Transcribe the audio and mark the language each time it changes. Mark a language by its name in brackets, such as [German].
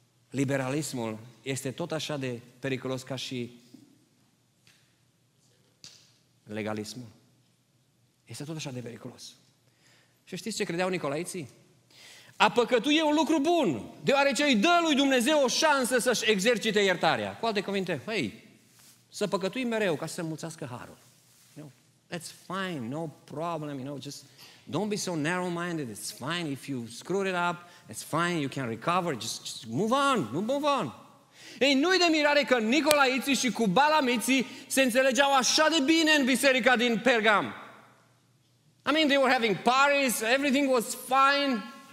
[Romanian] Liberalismul este tot așa de periculos ca și legalismul. Este tot așa de periculos. Și știți ce credeau nicolaiții? A păcătui e un lucru bun, deoarece îi dă lui Dumnezeu o șansă să-și exercite iertarea. Cu alte cuvinte, hei, să păcătui mereu ca să înmulțească harul. [English] No, that's fine, no problem, you know, just don't be so narrow-minded, it's fine if you screw it up, it's fine, you can recover, just move on. [Romanian] Ei, nu-i de mirare că nicolaiții și cu balamiții se înțelegeau așa de bine în biserica din Pergam. [English] I mean, they were having parties, everything was fine.